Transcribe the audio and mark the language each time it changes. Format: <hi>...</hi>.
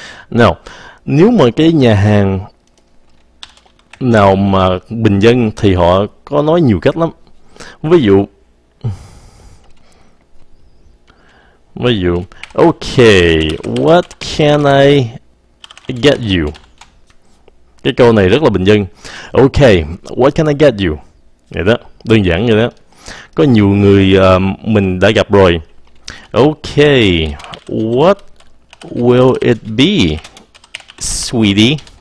<vi>Nào, nếu mà cái nhà hàng nào mà bình dân thì họ có nói nhiều cách lắm. Ví dụ,</vi> <en>okay, what can I get you?</en> <vi>Cái câu này rất là bình dân.</vi> <en>Okay, what can I get you?</en> <vi>Vậy đó, đơn giản vậy đó. Có nhiều người mình đã gặp rồi.</vi> <en>Okay, what will it be, sweetie?</en>